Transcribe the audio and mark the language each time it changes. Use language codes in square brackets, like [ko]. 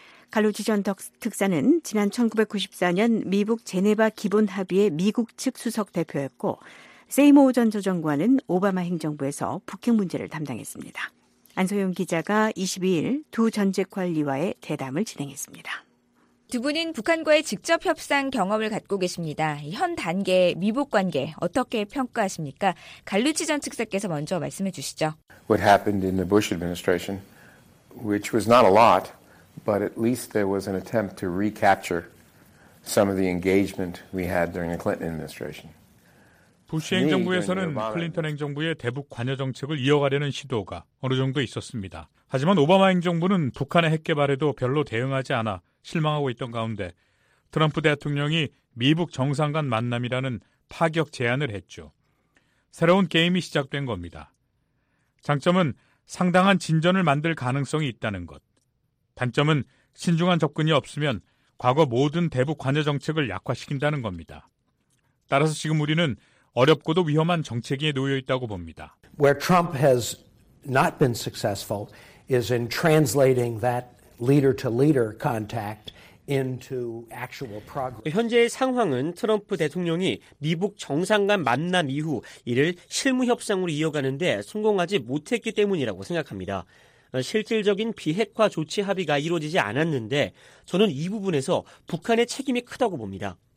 [ko] 갈루치 전 특사는 지난 1994년 미북 제네바 기본 합의의 미국 측 수석 대표였고 세이모 전 조정관은 오바마 행정부에서 북핵 문제를 담당했습니다. 안소영 기자가 22일 두 전직 관리와의 대담을 진행했습니다. 두 분은 북한과의 직접 협상 경험을 갖고 계십니다. 현 단계의 미북 관계 어떻게 평가하십니까? 갈루치 전 특사께서 먼저 말씀해 주시죠. [en] What happened in the Bush administration, which was not a lot, but at least there was an attempt to recapture some of the engagement we had during the Clinton administration. [ko] 부시 행정부에서는 클린턴 행정부의 대북 관여 정책을 이어가려는 시도가 어느 정도 있었습니다. 하지만 오바마 행정부는 북한의 핵 개발에도 별로 대응하지 않아 실망하고 있던 가운데 트럼프 대통령이 미북 정상 간 만남이라는 파격 제안을 했죠. 새로운 게임이 시작된 겁니다. 장점은 상당한 진전을 만들 가능성이 있다는 것. 단점은 신중한 접근이 없으면 과거 모든 대북 관여 정책을 약화시킨다는 겁니다. 따라서 지금 우리는 어렵고도 위험한 정책에 놓여 있다고 봅니다. [en] Where Trump has not been successful is in translating that leader-to-leader contact into actual progress. [ko] 현재의 상황은 트럼프 대통령이 미북 정상 간 만남 이후 이를 실무 협상으로 이어가는 데 성공하지 못했기 때문이라고 생각합니다. 실질적인 비핵화 조치 합의가 이루어지지 않았는데 저는 이 부분에서 북한의 책임이 크다고 봅니다.